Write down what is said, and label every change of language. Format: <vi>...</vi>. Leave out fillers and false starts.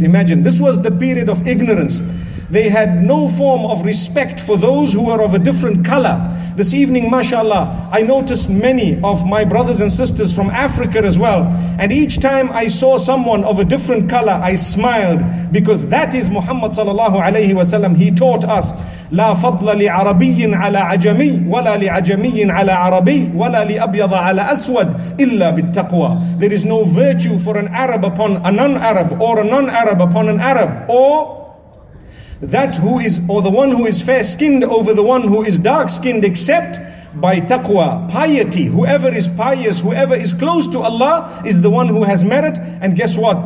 <en>Imagine, this was the period of ignorance. They had no form of respect for those who were of a different color. This evening, mashallah, I noticed many of my brothers and sisters from Africa as well. And each time I saw someone of a different color, I smiled, because that is Muhammad sallallahu alayhi wa sallam. He taught us,</en> <ar>لا فضل لعربي على عجمي ولا لعجمي على عربي ولا لأبيض على أسود إلا بالتقوى.</ar> <en>There is no virtue for an Arab upon a non-Arab, or a non-Arab upon an Arab, or the one who is fair-skinned over the one who is dark-skinned, except by taqwa, piety. Whoever is pious, whoever is close to Allah, is the one who has merit. And guess what?</en>